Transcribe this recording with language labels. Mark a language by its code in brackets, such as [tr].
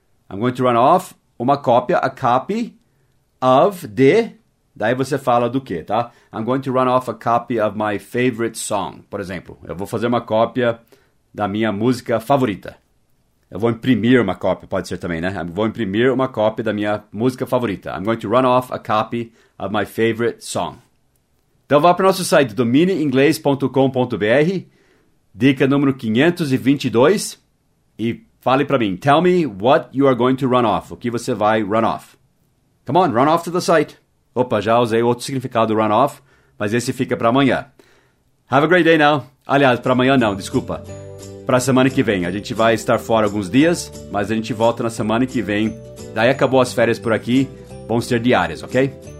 [en] I'm going to run off. [pt] Uma cópia, [en] a copy of the... [pt] Daí você fala do quê, tá? [en] I'm going to run off a copy of my favorite song, [pt] por exemplo. Eu vou fazer uma cópia da minha música favorita. Eu vou imprimir uma cópia, pode ser também, né? Eu vou imprimir uma cópia da minha música favorita. [en] I'm going to run off a copy of my favorite song. [pt] Então vá para o nosso site, dominiinglês.com.br, dica número 522, e fale para mim. [en] Tell me what you are going to run off. [pt] O que você vai [en] run off? Come on, run off to the site. [pt] Opa, já usei outro significado, run off, mas esse fica para amanhã. [en] Have a great day now. [pt] Aliás, para amanhã não, desculpa. Para a semana que vem. A gente vai estar fora alguns dias, mas a gente volta na semana que vem. Daí acabou as férias por aqui, vão ser diárias, ok?